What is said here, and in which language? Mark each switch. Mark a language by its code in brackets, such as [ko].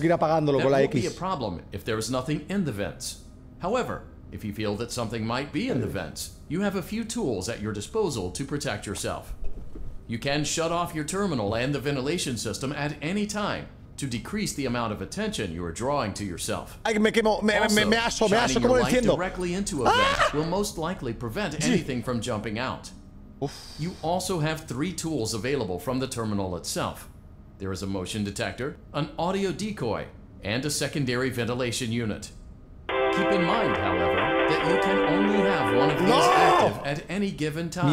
[en] will be a problem if there is nothing in the vents. However, if you feel that something might be in the vents, you have a few tools at your disposal to protect yourself. You can shut off your terminal and the ventilation system at any time to decrease the amount of attention you are drawing to yourself. [es] Ay, me quemo, me aso, ¿cómo lo entiendo? [en] Directly into a vent will most likely prevent anything from jumping out. Uf. You also have three tools available from the terminal itself. There is a motion detector, an audio decoy, and a secondary ventilation unit. Keep in mind, however, that you can only have one of these active at any given time.